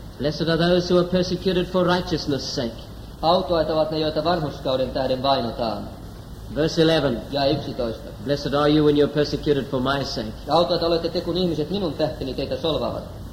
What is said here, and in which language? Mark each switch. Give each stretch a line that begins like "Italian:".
English: Blessed are those who are persecuted for righteousness' sake.
Finnish: Autuaita ovat ne, joita vanhurskauden tähden vainotaan.
English: Verse 11.
Finnish: Jae 11.
English: Blessed are you when you are persecuted for my sake.
Finnish: Autuaita olette te, kun ihmiset minun tähteni teitä solvaavat.